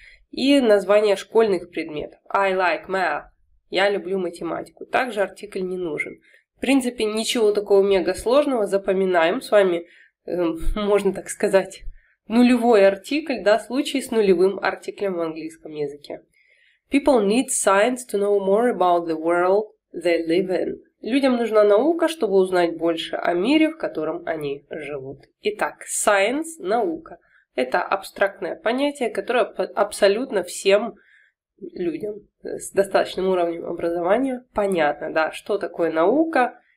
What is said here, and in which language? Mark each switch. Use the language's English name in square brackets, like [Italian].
[Russian] И название школьных предметов – [English] I like math [Russian] – я люблю математику – также артикль не нужен. В принципе, ничего такого мега сложного, запоминаем с вами, можно так сказать, нулевой артикль, да, случай с нулевым артиклем в английском языке. [English] People need science to know more about the world they live in. [Russian] Людям нужна наука, чтобы узнать больше о мире, в котором они живут. Итак, science, наука, это абстрактное понятие, которое абсолютно всем людям с достаточным уровнем образования понятно, да, что такое наука.